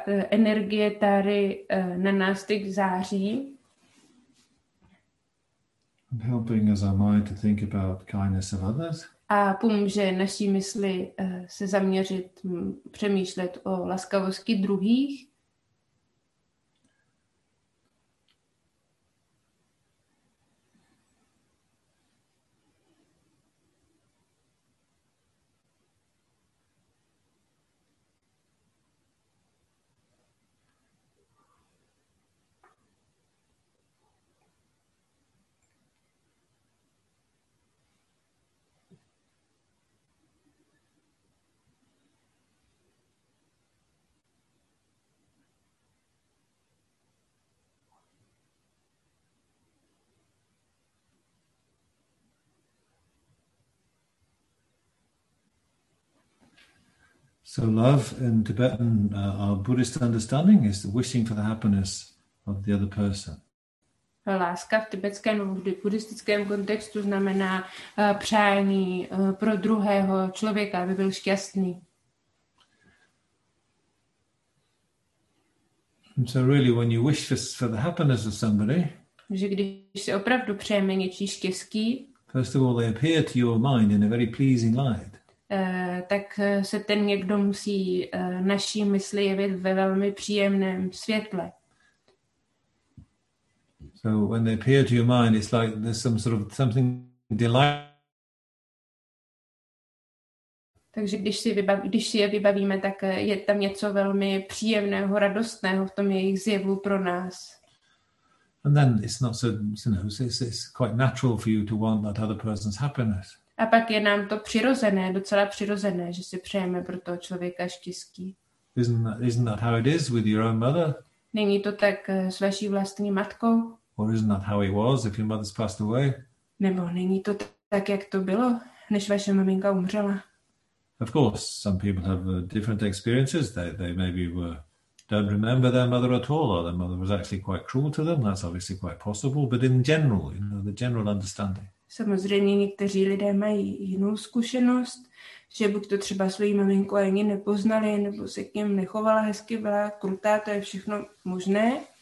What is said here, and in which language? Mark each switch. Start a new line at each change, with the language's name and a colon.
Czech: Energie tady na nás tak září.
English: And helping as our mind to think about kindness of others.
Czech: A pomůže naší mysli se zaměřit, přemýšlet o laskavosti druhých.
English: So love in Tibetan, our Buddhist understanding is the wishing for the happiness of the other person.
Czech: Láska v tibetském buddhistickém kontextu znamená přání pro druhého člověka, aby byl šťastný.
English: And so really when you wish for the happiness of somebody,
Czech: že když si opravdu přejeme něčí štěstí,
English: first of all they appear to your mind in a very pleasing light.
Czech: Tak se ten někdo musí naší mysli jevit ve velmi příjemném světle.
English: So when they appear to your mind, it's like there's some sort of something delightful.
Czech: Takže když si je vybavíme, tak je tam něco velmi příjemného, radostného v tom jejich zjevu pro nás.
English: And then it's not so, you know, it's quite natural for you to want that other person's happiness.
Czech: A pak je nám to přirozené, docela přirozené, že si přejeme pro toho člověka štěstí.
English: Isn't that how it is with your own mother?
Czech: Není to tak s vaší vlastní matkou?
English: Or isn't that how it was if your mother's passed away?
Czech: Nebo není to tak, jak to bylo, než vaše maminka umřela?
English: Of course, some people have different experiences. They maybe were don't remember their mother at all, or their mother was actually quite cruel to them. That's obviously quite possible. But in general, you know, the general understanding.
Czech: Samozřejmě někteří lidé mají jinou zkušenost, že buď to třeba svoji maminku ani nepoznali, nebo se k ním nechovala hezky, byla krutá, to je všechno možné.